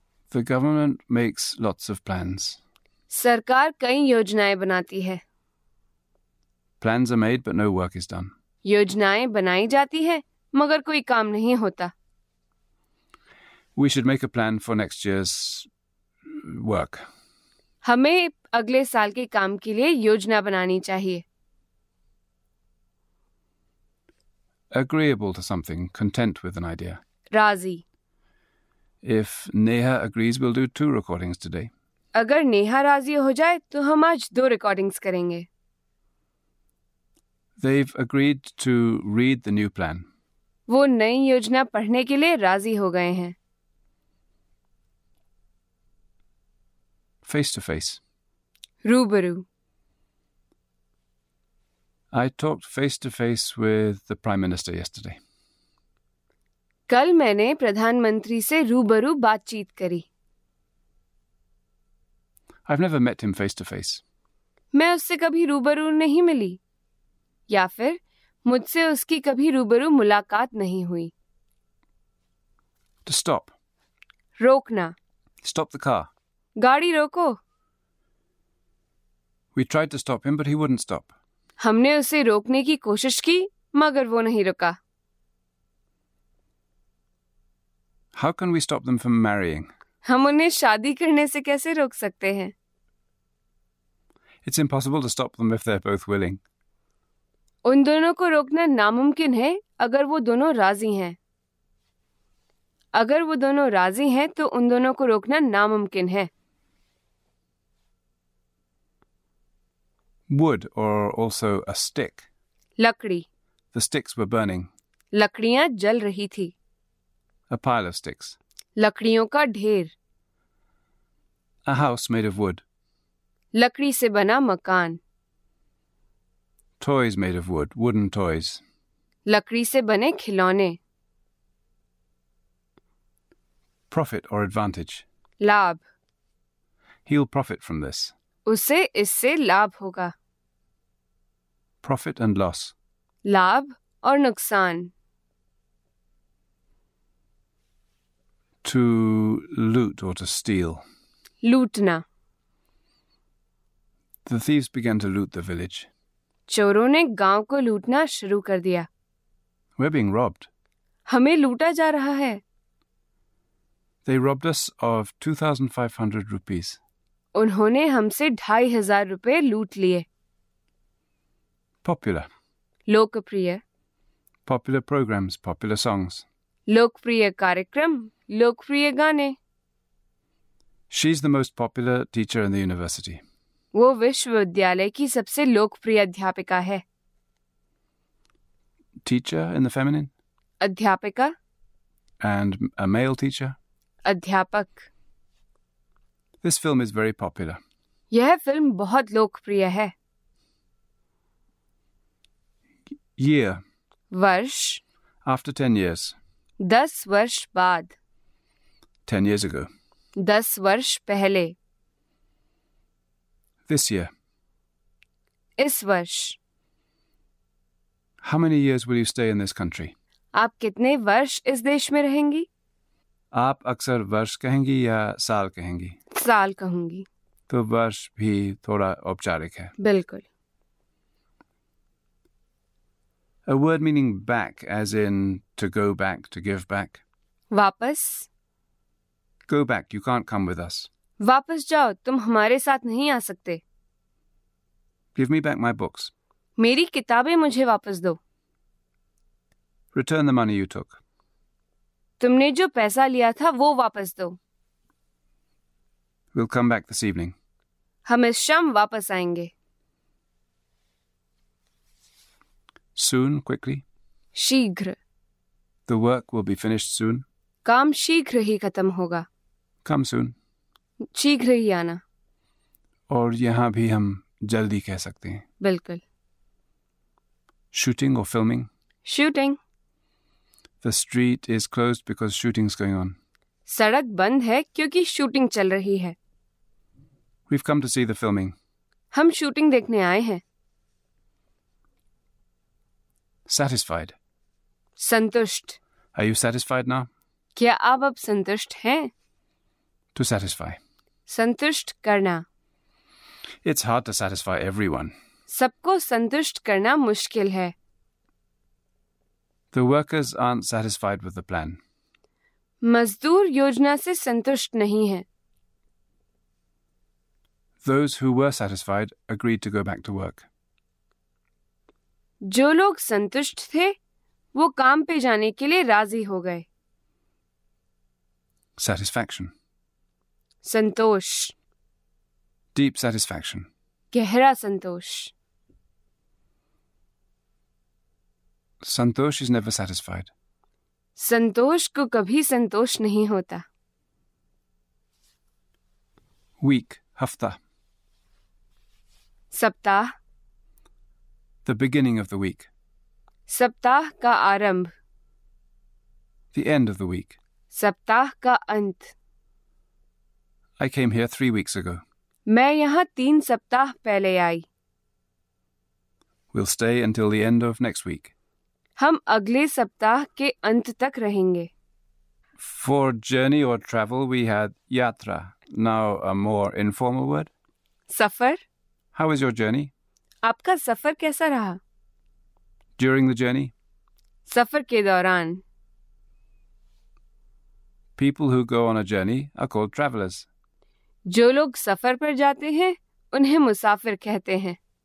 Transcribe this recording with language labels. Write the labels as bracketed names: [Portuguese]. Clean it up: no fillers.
[English] The government makes lots of plans. [Hindi] सरकार कई योजनाएं बनाती है. [English] Plans are made, but no work is done. [Hindi] योजनाएं बनाई जाती हैं, मगर कोई काम नहीं होता. [English] We should make a plan for next year's work. [Hindi] हमें अगले साल के काम के लिए योजना बनानी चाहिए. [English] Agreeable to something, content with an idea. [Hindi] राजी. [English] If Neha agrees, we'll do two recordings today. [Hindi] अगर नेहा राजी हो जाए, तो हम आज दो recordings करेंगे. [English] They've agreed to read the new plan. [Hindi] वो नई योजना पढ़ने के लिए राजी हो गए हैं. [English] Face to face. [Hindi] रूबरू. [English] I talked face to face with the Prime Minister yesterday. [Hindi] कल मैंने प्रधानमंत्री से रूबरू बातचीत करी. [English] I've never met him face to face. [Hindi] मैं उससे कभी रूबरू नहीं मिली. या फिर मुझसे उसकी कभी रूबरू मुलाकात नहीं हुई. [English] To stop. [Hindi] रोकना. [English] Stop the car. [Hindi] गाड़ी रोको. [English] We tried to stop him, but he wouldn't stop. [Hindi] हमने उसे रोकने की कोशिश की, मगर वो नहीं रुका. [English] How can we stop them from marrying? [Hindi] हम उन्हें शादी करने से कैसे रोक सकते हैं? [English] It's impossible to stop them if they're both willing. [Hindi] उन दोनों को रोकना नामुमकिन है अगर वो दोनों राजी हैं. अगर वो दोनों राजी हैं तो उन दोनों को रोकना नामुमकिन है. [English] Wood or also a stick. [Hindi] लकड़ी. [English] The sticks were burning. [Hindi] लकड़ियां जल रही थी. [English] A pile of sticks. [Hindi] लकड़ियों का ढेर. [English] A house made of wood. [Hindi] लकड़ी से बना मकान. [English] Toys made of wood, wooden toys. [Hindi] लकड़ी से बने खिलौने. [English] Profit or advantage. [Hindi] लाभ. [English] He'll profit from this. [Hindi] उसे इससे लाभ होगा. [English] Profit and loss. [Hindi] लाभ और नुकसान. [English] To loot or to steal. [Hindi] लूटना. [English] The thieves began to loot the village. [Hindi] चोरों ने गांव को लूटना शुरू कर दिया. [English] We're being robbed. [Hindi] हमें लूटा जा रहा है. [English] They robbed us of 2,500 rupees. [Hindi] उन्होंने हमसे 2,500 रुपए लूट लिए. [English] Popular. [Hindi] लोकप्रिय. [English] Popular programs, popular songs. [Hindi] लोकप्रिय कार्यक्रम, लोकप्रिय गाने. [English] She's the most popular teacher in the university. [Hindi] वो विश्वविद्यालय की सबसे लोकप्रिय अध्यापिका है. [English] Teacher in the feminine. [Hindi] अध्यापिका. [English] And a male teacher. [Hindi] अध्यापक. [English] This film is very popular. [Hindi] यह फिल्म बहुत लोकप्रिय है. [English] Year. [Hindi] वर्ष. [English] After 10 years. [Hindi] 10 वर्ष बाद. [English] 10 years ago. [Hindi] 10 वर्ष पहले. [English] This year. [Hindi] इस वर्ष. [English] How many years will you stay in this country? [Hindi] आप कितने वर्ष इस देश में रहेंगी? आप अक्सर वर्ष कहेंगी या साल कहेंगी? साल कहूंगी. तो वर्ष भी थोड़ा औपचारिक है. बिल्कुल. [English] A word meaning back, as in to go back, to give back. [Hindi] वापस. [English] Go back, you can't come with us. [Hindi] वापस जाओ, तुम हमारे साथ नहीं आ सकते. [English] Give me back my books. [Hindi] मेरी किताबें मुझे वापस दो. [English] Return the money you took. [Hindi] तुमने जो पैसा लिया था वो वापस दो. [English] We'll come back this evening. [Hindi] हम इस शाम वापस आएंगे. [English] Soon, quickly. [Hindi] शीघ्र. [English] The work will be finished soon. [Hindi] काम शीघ्र ही खत्म होगा. [English] Come soon. [Hindi] शीघ्र ही आना. और यहाँ भी हम जल्दी कह सकते हैं. बिल्कुल. [English] Shooting or filming? Shooting. The street is closed because shooting's going on. [Hindi] सड़क बंद है क्योंकि शूटिंग चल रही है. [English] We've come to see the filming. [Hindi] हम शूटिंग देखने आए हैं. [English] Satisfied. [Hindi] संतुष्ट. [English] Are you satisfied now? [Hindi] क्या आप अब संतुष्ट हैं? [English] To satisfy. [Hindi] संतुष्ट करना. [English] It's hard to satisfy everyone. [Hindi] सबको संतुष्ट करना मुश्किल है. [English] The workers aren't satisfied with the plan. [Hindi] मजदूर योजना से संतुष्ट नहीं है. [English] Those who were satisfied agreed to go back to work. [Hindi] जो लोग संतुष्ट थे वो काम पे जाने के लिए राजी हो गए. [English] Satisfaction. [Hindi] संतोष. [English] Deep satisfaction. [Hindi] गहरा संतोष. [English] Santosh is never satisfied. [Hindi] संतोष को कभी संतोष नहीं होता. [English] Week, हफ्ता. [Hindi] सप्ताह. [English] The beginning of the week. [Hindi] सप्ताह का आरंभ. [English] The end of the week. [Hindi] सप्ताह का अंत. [English] I came here 3 weeks ago. [Hindi] मैं यहाँ 3 सप्ताह पहले आई. [English] We'll stay until the end of next week. [Hindi] हम अगले सप्ताह के अंत तक रहेंगे. [English] For journey or travel, we had yatra. Now a more informal word. [Hindi] Suffer. [English] How was your journey? [Hindi] आपका सफर कैसा रहा? [English] During the journey? [Hindi] सफर के दौरान. [English] People who go on a journey are called travelers. [Hindi] जो लोग सफर पर जाते हैं, उन्हें मुसाफिर कहते हैं.